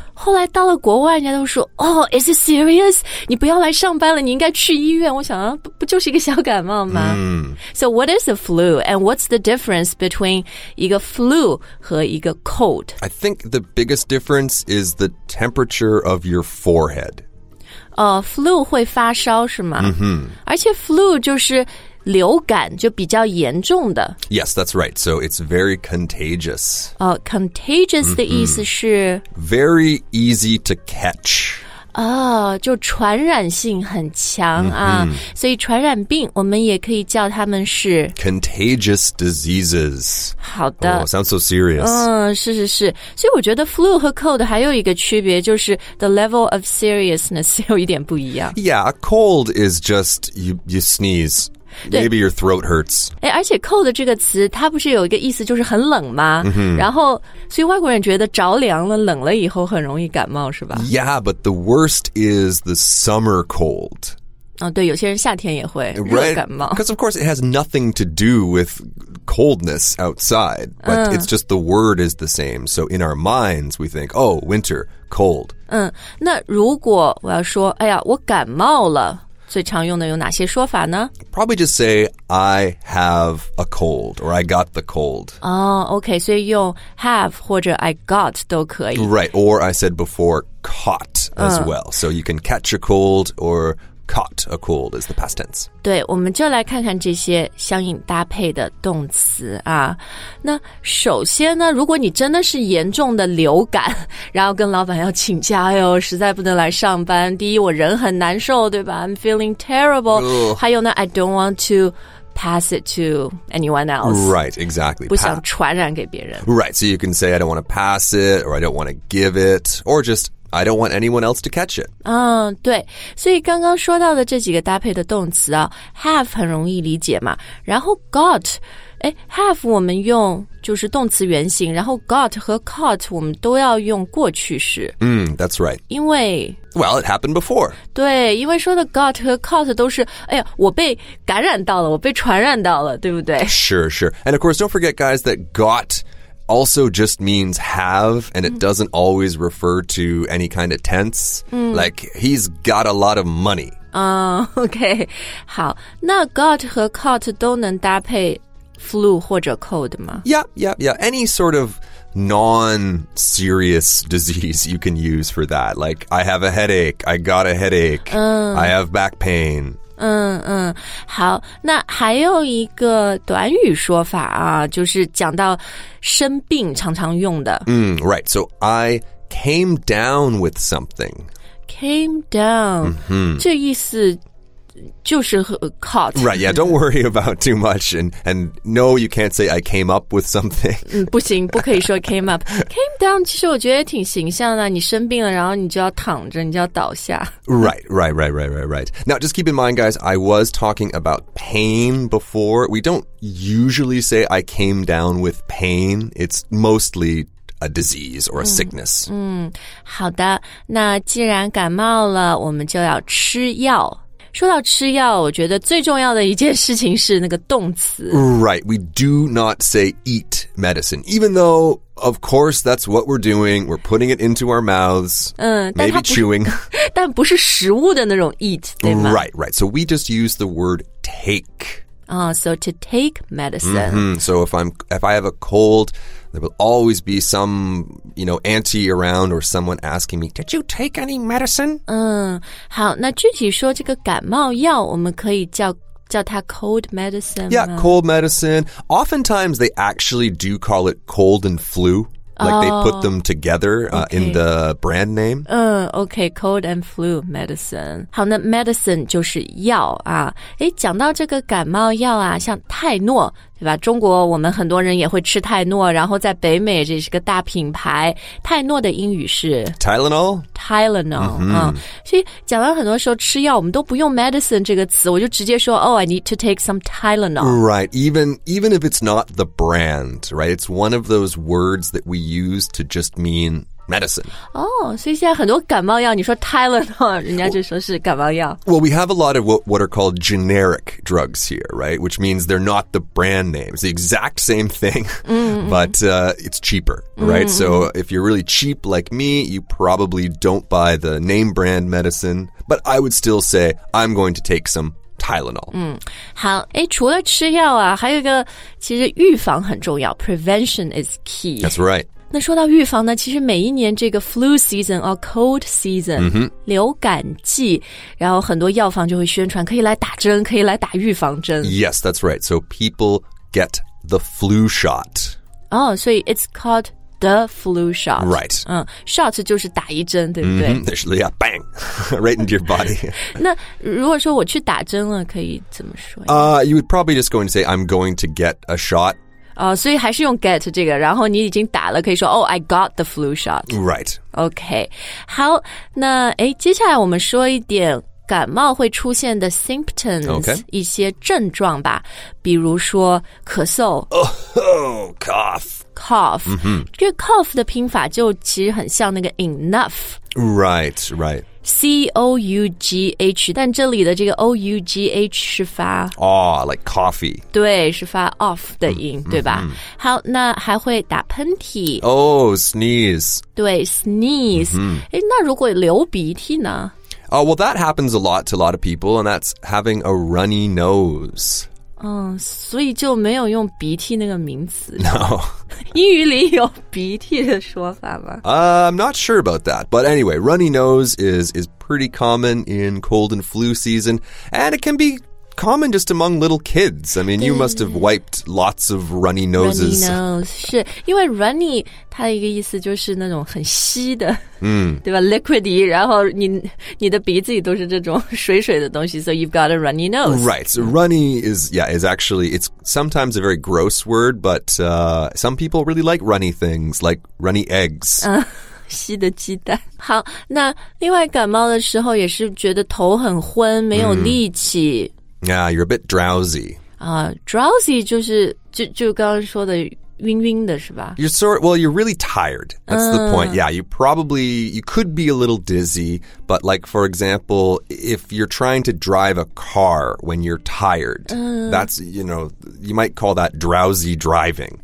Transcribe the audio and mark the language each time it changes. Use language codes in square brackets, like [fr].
[zh] 后来到了国外，人家都说，哦、oh, ， [en] Is it serious？ [zh] 你不要来上班了，你应该去医院。我想啊，不就是一个小感冒吗、 mm-hmm. [en] ？So what is a flu and what's the difference between 一个 flu 和一个 cold？ I think the biggest difference is the temperature of your forehead. [zh] Flu 会发烧是吗？嗯、mm-hmm. 而且 flu 就是。流感就比较严重的。 [en] Yes, that's right. So it's very contagious. [zh] Contagious 的意思是 [en] very easy to catch. [zh] 就传染性很强啊。Mm-hmm. 所以传染病我们也可以叫他们是 [en] contagious diseases. [zh] 好的。 [en] Oh, sounds so serious. [zh] 是是是。所以我觉得 flu 和 cold 还有一个区别就是 [en] the level of seriousness [zh] 有一点不一样。 [en] Yeah, a cold is just you sneeze. Maybe your throat hurts. [zh] 哎，而且 cold 这个词，它不是有一个意思就是很冷吗？ Mm-hmm. 然后，所以外国人觉得着凉了、冷了以后很容易感冒，是吧？ [en] Yeah, but the worst is the summer cold. [zh] 对，有些人夏天也会热感冒。 [en] Right? Because of course it has nothing to do with coldness outside, but、it's just the word is the same. So in our minds, we think, oh, winter, cold. [zh] 那如果我要说，哎呀，我感冒了。最常用的有哪些说法呢 [en] ？Probably just say I have a cold or I got the cold. [zh] Okay, 所以用 have 或者 I got 都可以。 [en] Right, or I said before caught as well. So you can catch a cold or caught a cold is the past tense. [zh] 对，我们就来看看这些相应搭配的动词啊。那首先呢，如果你真的是严重的流感，然后跟老板要请假哟，实在不能来上班。第一，我人很难受，对吧 ？ [en] I'm feeling terrible.、 Ugh. [zh] 还有呢 [en] ，I don't want to pass it to anyone else. Right, exactly. [zh] 不想传染给别人。 [en] Right, so you can say I don't want to pass it, or I don't want to give it, or just. I don't want anyone else to catch it. [zh] 对，所以刚刚说到的这几个搭配的动词啊 ，have 很容易理解嘛。然后 got， 哎 ，have 我们用就是动词原形，然后 got 和 caught 我们都要用过去式。 [en] That's right. [zh] 因为 [en] well, it happened before. [zh] 对，因为说的 got 和 caught 都是，哎呀，我被感染到了，我被传染到了，对不对 [en] ？Sure, sure. And of course, don't forget, guys, that got. Also just means have, and it doesn't always refer to any kind of tense. Like, he's got a lot of money. Okay. [zh] 好，那 got 和 caught 都能搭配 flu 或者 cold 吗？ [en] Yeah. Any sort of non-serious disease you can use for that. Like, I have a headache. I got a headache. I have back pain. [zh] 好，那还有一个短语说法啊，就是讲到生病常常用的。 [en] Right. So I came down with something. Came down.、 Mm-hmm. [zh] 这意思就是 caught. [en] Right. Yeah. Don't worry about too much. And no, you can't say I came up with something. [zh] 不行，不可以说 came up. [en] Came down. [zh] 其实我觉得也挺形象的。你生病了，然后你就要躺着，你就要倒下。 [en] Right. Now, just keep in mind, guys, I was talking about pain before. We don't usually say I came down with pain. It's mostly a disease or a sickness. [zh] 好的。那既然感冒了，我们就要吃药。说到吃药，我觉得最重要的一件事情是那个动词。 [en] Right, we do not say eat medicine, even though, of course, that's what we're doing. We're putting it into our mouths, maybe chewing. [zh] 但不是食物的那种 eat, 对吗 [en] ？Right, right. So we just use the word take. So to take medicine. Mm-hmm. So if I have a cold, there will always be some, you know, auntie around or someone asking me, did you take any medicine? [zh] 好，那具体说这个感冒药，我们可以叫它 cold medicine。 [en] Yeah, cold medicine. Oftentimes they actually do call it cold and flu. Like they put them together in the brand name. Okay, cold and flu medicine. [zh] 好，那 medicine 就是药啊。诶，讲到这个感冒药啊，像泰诺，对吧？中国我们很多人也会吃泰诺，然后在北美这是个大品牌。泰诺的英语是 [en] Tylenol. Tylenol. [zh] 嗯、mm-hmm. 啊，所以讲到很多时候吃药，我们都不用 medicine 这个词，我就直接说 [en] Oh, I need to take some Tylenol. Right. Even if it's not the brand, right? It's one of those words that we use to just mean. Medicine. [zh] Oh, so 现在很多感冒药，你说 Tylenol, 人家就说是感冒药。 [en] Well, we have a lot of what are called generic drugs here, right? Which means they're not the brand name. It's the exact same thing, but it's cheaper, right? So if you're really cheap like me, you probably don't buy the name brand medicine. But I would still say, I'm going to take some Tylenol. [zh] 好，诶，除了吃药啊，还有一个，其实预防很重要。 [en] Prevention is key. That's right. [zh] 那说到预防呢，其实每一年这个 [en] flu season or cold season、 mm-hmm. [zh] 流感季，然后很多药房就会宣传可以来打针，可以来打预防针。 [en] Yes, that's right. So people get the flu shot. Oh, so it's called the flu shot. Right. [zh] Shot 就是打一针，对不对、 mm-hmm. [en] Actually, yeah, bang, right into your body. [zh] 那如果说我去打针了，可以怎么说 [en] You would probably just going to say, I'm going to get a shot. [zh] 所以还是用 get 这个，然后你已经打了，可以说 [en] Oh, I got the flu shot. Right. Okay. [zh] 好，那诶，接下来我们说一点感冒会出现的 symptoms、 [en] okay. [zh] 一些症状吧，比如说咳嗽。 [en] Cough. Cough.、 Mm-hmm. [zh] 这 cough 的拼法就其实很像那个 enough. [en] Right, right. [zh] C-O-U-G-H, 但这里的这个 O-U-G-H 是发 [en] Oh, like coffee. [zh] 对，是发 off 的音、mm-hmm. 对吧？好，那还会打喷嚏。 [en] Oh, sneeze. [zh] 对 ,sneeze.、 Mm-hmm. 诶，那如果流鼻涕呢？ [en] Oh, well, that happens a lot to a lot of people, and that's having a runny nose. [zh] 所以就没有用鼻涕那个名词。 [en] No. [zh] 英语里有鼻涕的说法吗？ [en] I'm not sure about that. But anyway, runny nose is pretty common in cold and flu season. And it can be common just among little kids. I mean, you must have wiped lots of runny noses. Runny nose. [zh] 是因为 runny 它的一个意思就是那种很稀的。对吧 ?liquidy, 然后你的鼻子里都是这种水水的东西 , [en] so you've got a runny nose. Right, so runny is actually, it's sometimes a very gross word, but some people really like runny things, like runny eggs. [zh] 稀的鸡蛋。好，那另外感冒的时候也是觉得头很昏，没有力气。 [en] Yeah, you're a bit drowsy. [zh] Drowsy 就是就刚刚说的晕晕的是吧 [en] You're really tired. That's the point. Yeah, you could be a little dizzy, but like, for example, if you're trying to drive a car when you're tired, that's, you know, you might call that drowsy driving.